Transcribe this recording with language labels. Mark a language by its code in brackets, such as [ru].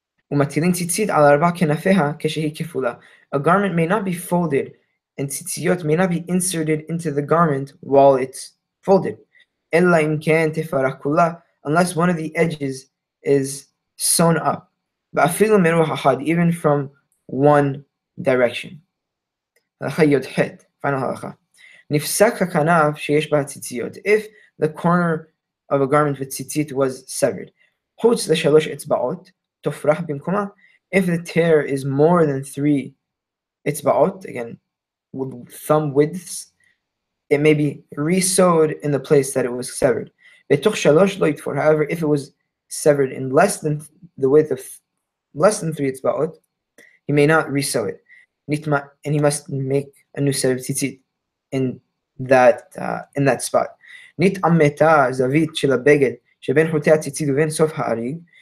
[he] ומטילים ציצית על ארבע כנפיה כשהיא כפולה. [en] A garment may not be folded, and ציציות may not be inserted into the garment while it's folded. [he] אלא אם כן תפרה כולה, [en] unless one of the edges is sewn up. [he] ואפילו מרוח אחד, [en] even from one direction. [he] הלכה י"ח, פיינל הלכה. נפסק הכנף שיש בה ציציות. [en] If the corner of a garment with ציצית was severed, [he] חוץ לשלוש אצבעות, תופרח במקומה. [en] If the tear is more than three אצבעות, again, with thumb widths, it may be re-sewed in the place that it was severed. [he] בתוך שלוש לא יתפור. [en] However, if it was severed in less than the width of less than three אצבעות, he may not re-sew it. And he must make a new set of tzitzit in that spot. [he] נתעמתה זווית של הבגד שבין חוטי הציצית ובין סוף האריג.